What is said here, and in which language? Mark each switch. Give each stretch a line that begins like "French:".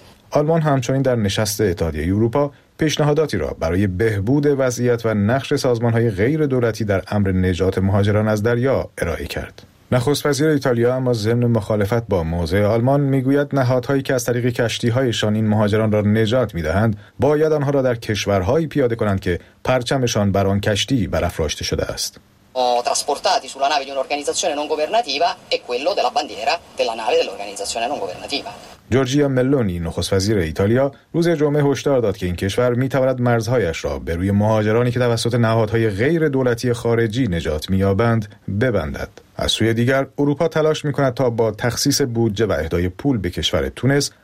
Persian: آلمان همچنین در نشست اتحادیه اروپا پیشنهاداتی را برای بهبود وضعیت و نقش سازمان‌های غیر دولتی در امر نجات مهاجران از دریا ارائه کرد. نخست وزیر ایتالیا اما ضمن مخالفت با موضع آلمان میگوید نهادهایی که از طریق کشتی‌هایشان این مهاجران را نجات می‌دهند، باید آنها را در کشورهایی پیاده کنند که پرچمشان بر آن کشتی برافراشته شده است.
Italian: trasportati sulla nave di un'organizzazione non governativa è quello della bandiera della nave dell'organizzazione non governativa.
Persian: جورجیا ملونی، نخست وزیر ایتالیا، روز جمعه هشدار داد که این کشور می‌تواند مرزهایش را به روی مهاجرانی که توسط نهادهای غیر دولتی خارجی نجات می‌یابند ببندد. از سوی دیگر اروپا تلاش می‌کند تا با تخصیص بودجه و اهدای پول به کشور تونس